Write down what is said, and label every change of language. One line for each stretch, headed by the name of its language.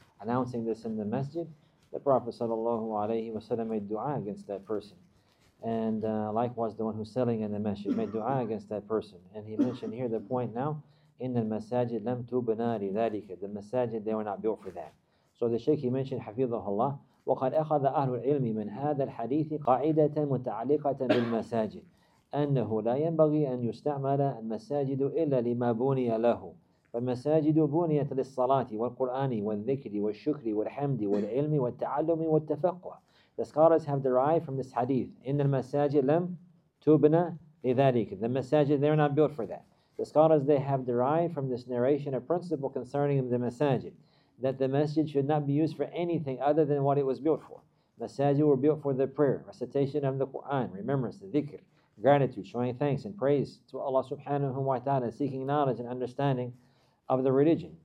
English: Announcing this in the masjid, the Prophet sallallahu alayhi wa sallam made dua against that person. And likewise, the one who's selling in the masjid made dua against that person. And he mentioned here the point now, in the masajid
Arabic: lam tubna li dhalika.
English: The masajid, they were not built for that. So the sheikh, he mentioned,
Arabic: hafidhahullah, وَقَدْ أَخَذَ أَهْلُ الْعِلْمِ مِنْ هَذَا الْحَدِيثِ قَاعِدَةً مُتَعْلِقَةً بِالْمَسَاجِدِ أَنَّهُ لَا يَنْبَغِي أَنْ يُسْتَعْمَلَ الْمَسَاجِدُ إِلَّا لِمَا بُنِيَ لَهُ. فالمساجد بنيت للصلاة والقرآن والذكر والشكر والحمد والعلم والتعلم والتفقه.
English: The scholars have derived from this hadith,
Arabic: إن المساجد لم تبنى لذلك.
English: The masajid, they're not built for that. The scholars, they have derived from this narration a principle concerning the masajid, that the masjid should not be used for anything other than what it was built for. Masajid were built for the prayer, recitation of the Quran, remembrance, the dhikr, gratitude, showing thanks and praise to Allah subhanahu wa ta'ala, and seeking knowledge and understanding of the religion.